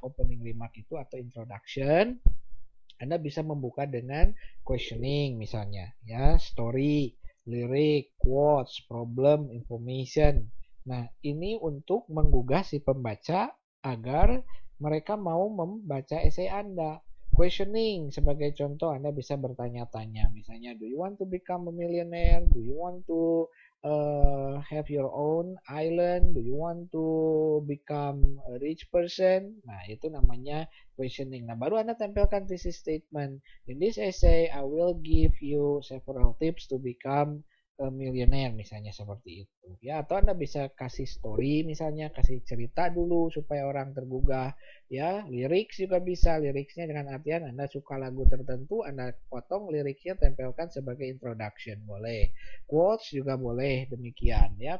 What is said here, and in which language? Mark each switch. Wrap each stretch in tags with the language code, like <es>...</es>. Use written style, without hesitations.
<id>Opening remark itu atau introduction. Anda bisa membuka dengan questioning misalnya, ya, story, lyric, quotes, problem, information. Nah, ini untuk menggugah si pembaca agar mereka mau membaca esai Anda. Questioning, sebagai contoh Anda bisa bertanya-tanya. Misalnya,</id> <en>do you want to become a millionaire? Do you want to have your own island? Do you want to become a rich person?</en> <id>Nah, itu namanya questioning. Nah, baru Anda tempelkan thesis statement.</id> <en>In this essay, I will give you several tips to become a millionaire.</en> <id>Misalnya seperti itu. Ya, atau Anda bisa kasih story misalnya, kasih cerita dulu supaya orang tergugah. Ya, lyrics juga bisa. Lyricsnya dengan artian Anda suka lagu tertentu, Anda potong lyricsnya, tempelkan sebagai introduction, boleh. Quotes juga boleh demikian, ya.</id>